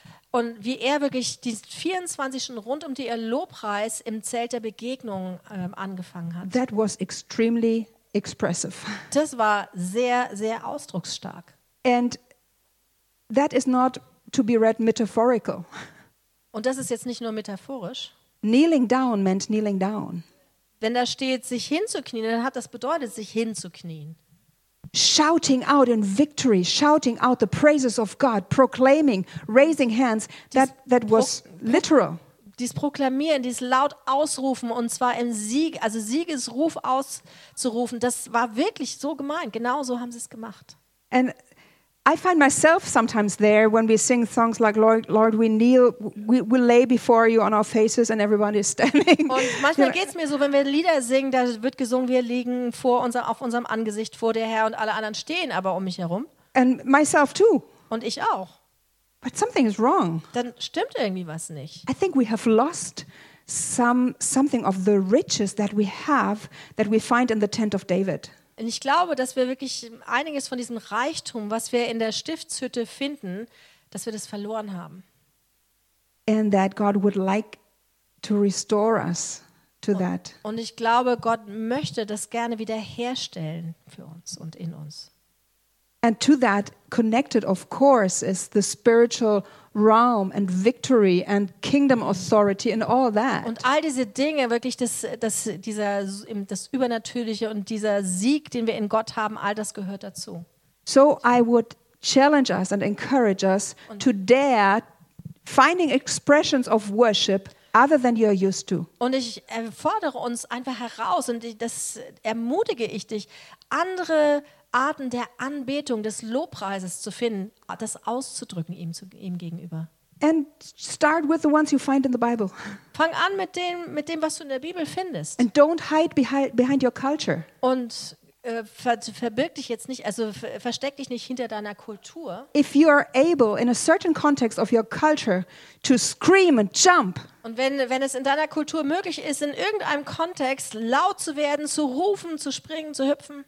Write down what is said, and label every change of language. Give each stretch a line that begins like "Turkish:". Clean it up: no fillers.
German: Und wie er wirklich die 24 Stunden rund um die ihr Lobpreis im Zelt der Begegnung angefangen hat.
English: That was extremely expressive.
German: Das war sehr, sehr ausdrucksstark.
English: And that is not to be read metaphorical.
German: Und das ist jetzt nicht nur metaphorisch.
English: Kneeling down meant kneeling down.
German: Wenn da steht, sich hinzuknien, dann hat das bedeutet, sich hinzuknien.
English: Shouting out in victory, shouting out the praises of God, proclaiming, raising hands, that was literal.
German: Dies proklamieren, dies laut ausrufen und zwar im Sieg, also Siegesruf auszurufen, das war wirklich so gemeint. Genau so haben sie es gemacht.
English: And I find myself sometimes there when we sing songs like Lord we kneel, we lay before you on our faces and everybody is standing.
German: Und manchmal geht's mir so, wenn wir Lieder singen, da wird gesungen, wir liegen vor auf unserem Angesicht vor der Herr und alle anderen stehen aber um mich herum.
English: And myself too.
German: Und ich auch.
English: But something is wrong.
German: Dann stimmt irgendwie was nicht.
English: I think we have lost something of the riches that we have that we find in the tent of David.
German: Und ich glaube, dass wir wirklich einiges von diesem Reichtum, was wir in der Stiftshütte finden, dass wir das verloren haben.
English: And that God would like to restore us to that.
German: Und ich glaube, Gott möchte das gerne wiederherstellen für uns und in uns.
English: And to that connected, of course, is the spiritual realm and victory and kingdom authority and all that.
German: Und all diese Dinge, wirklich das Übernatürliche und dieser Sieg, den wir in Gott haben, all das gehört dazu.
English: So I would challenge us and encourage us to dare finding expressions of worship other than you are used to.
German: Und ich fordere uns einfach heraus und das ermutige ich dich, andere Arten der Anbetung, des Lobpreises zu finden, das auszudrücken ihm gegenüber.
English: And start with the ones you find in the Bible.
German: Fang an mit dem, was du in der Bibel findest.
English: And don't hide behind your culture.
German: Und verbirg dich jetzt nicht, also versteck dich nicht hinter deiner Kultur.
English: If you are able in a certain context of your culture to scream and jump.
German: Und wenn es in deiner Kultur möglich ist, in irgendeinem Kontext laut zu werden, zu rufen, zu springen, zu hüpfen.